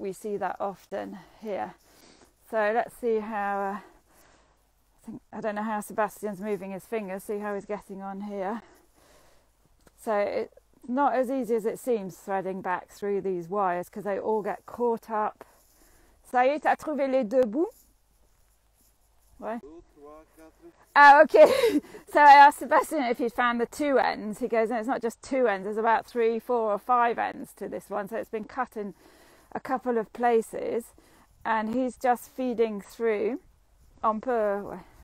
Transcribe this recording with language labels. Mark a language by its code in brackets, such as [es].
[en] We see that often here. So let's see how... I don't know how Sebastian's moving his fingers. See how he's getting on here. So it's not as easy as it seems threading back through these wires because they all get caught up. [fr] Ça y est, t'as trouvé les deux bouts? [en] Ouais. Oh, okay. So I asked Sebastian if he'd found the two ends. He goes, no, it's not just two ends. There's about 3, 4, or 5 ends to this one. So it's been cut in a couple of places. And he's just feeding through on pur.